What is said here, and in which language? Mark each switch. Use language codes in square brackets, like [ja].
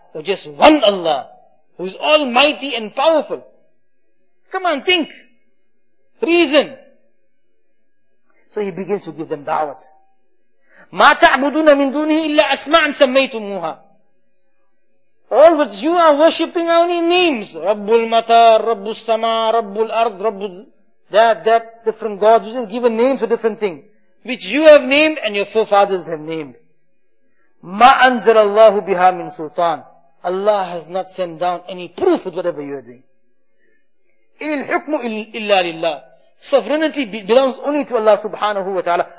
[en] Or just one Allah, who is almighty and powerful. Come on, think. Reason. So he begins to give them da'wat. [ar] مَا تَعْبُدُونَ مِن دُونِهِ إِلَّا أَسْمَعًا سَمَّيْتُمُوهَا. [en] All but you are worshipping only names. [ar] رَبُّ الْمَطَارِ, رَبُّ السَّمَاءِ, رَبُّ الْأَرْضِ, رَبُّ [en] that, different gods. You just give a name for different thing, which you have named and your forefathers have named. [ar] مَا أَنزَلَ اللَّهُ بِهَا مِن سُلْطَانٍ. [en] Allah has not sent down any proof with whatever you are doing. [ar] إِنِ الْحُكْمُ إِلَّا لِلَّهِ. [en] Sovereignty belongs only to Allah subhanahu wa ta'ala.